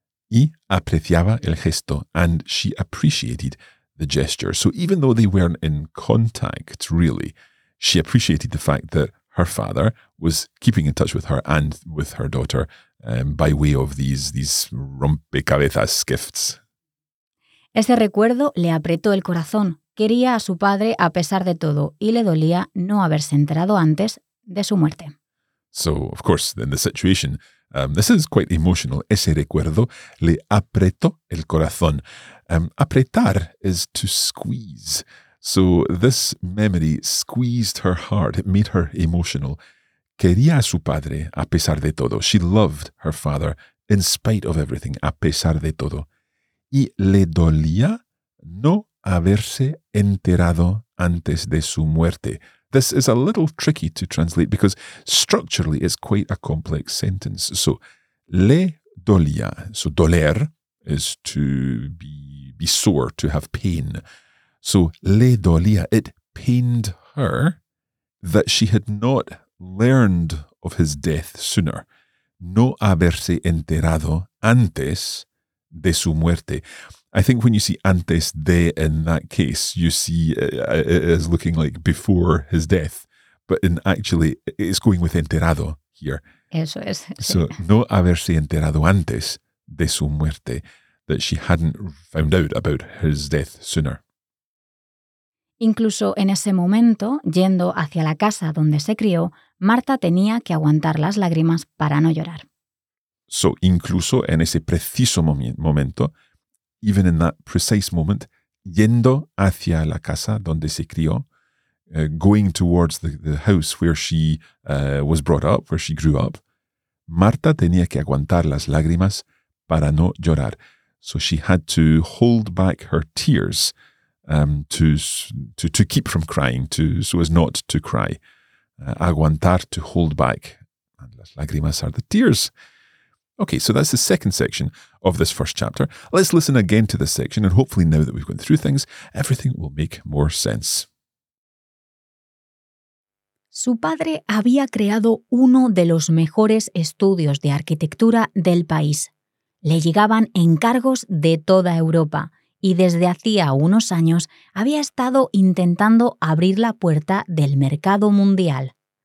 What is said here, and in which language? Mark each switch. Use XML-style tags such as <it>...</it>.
<es>Y apreciaba el gesto,</es> <en>and she appreciated the gesture. So even though they weren't in contact, really, she appreciated the fact that her father was keeping in touch with her and with her daughter by way of these rompecabezas gifts.</en> <es>Ese recuerdo le apretó el corazón. Quería a su padre a pesar de todo, y le dolía no haberse enterado antes de su muerte.</es> <en>So, of course, in the situation... this is quite emotional.</en> <es>Ese recuerdo le apretó el corazón. Apretar</es> <en>is to squeeze. So this memory squeezed her heart. It made her emotional.</en> <es>Quería a su padre a pesar de todo.</es> <en>She loved her father in spite of everything,</en> <es>a pesar de todo. Y le dolía no haberse enterado antes de su muerte.</es> <en>This is a little tricky to translate because structurally it's quite a complex sentence. So,</en> <es>le dolía.</es> <en>So, doler is to be sore, to have pain. So,</en> <es>le dolía.</es> <en>It pained her that she had not learned of his death sooner.</en> <es>No haberse enterado antes de su muerte.</es> <en>I think when you see antes de in that case, you see it as looking like before his death. But in actually, it's going with enterado here.</en> <es>Eso es.</es> <en>So,</en> <es>no haberse enterado antes de su muerte,</es> <en>that she hadn't found out about his death sooner.</en> <es>Incluso en ese momento, yendo hacia la casa donde se crió, Marta tenía que aguantar las lágrimas para no llorar. So, incluso en ese preciso momento...</es> <en>Even in that precise moment,</en> <es>yendo hacia la casa donde se crió,</es> <en>going towards the house where she was brought up, where she grew up,</en> <es>Marta tenía que aguantar las lágrimas para no llorar.</es> <en>So she had to hold back her tears to keep from crying, to so as not to cry. Aguantar, to hold back. And</en> <es>las lágrimas</es> <en>are the tears. Okay, so that's the second section of this first chapter. Let's listen again to this section, and hopefully now that we've gone through things, everything will make more sense.</en> <es>Su padre había creado uno de los mejores estudios de arquitectura del país. Le llegaban encargos de toda Europa, y desde hacía unos años había estado intentando abrir la puerta del mercado mundial.</es>